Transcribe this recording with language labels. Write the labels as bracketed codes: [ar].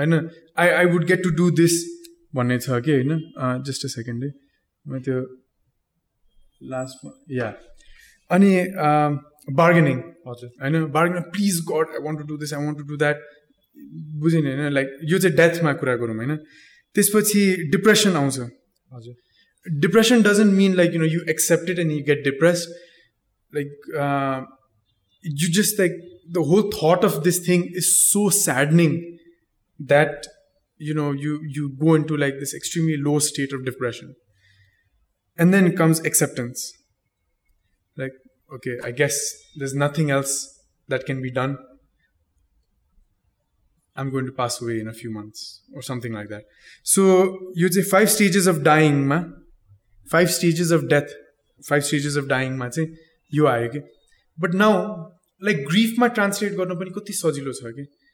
[en] I know. I would get to do this. One is okay, you know. Just a second. Last one. Yeah. Any bargaining. I know. Bargaining. Please, God, I want to do this. I want to do that. [ne] Bujhine, [en] you know, like, you say death, [ne] ma kura garum, [en] you know. [ne] त्यसपछि depression आउँछ. हजुर. [en] Depression doesn't mean like you know you accept it and you get depress. Like you just like the whole thought of this thing is so saddening that you know you go into like this extremely low state of depression. And then comes acceptance. Like okay I guess there is nothing else that can be done. I'm going to pass away in a few months or something like that. So you'd say 5 stages of dying, ma. 5 stages of death. 5 stages of dying, ma. Say you are okay. But now, like grief, [ne] ma translate garna pani kati sajilo chha.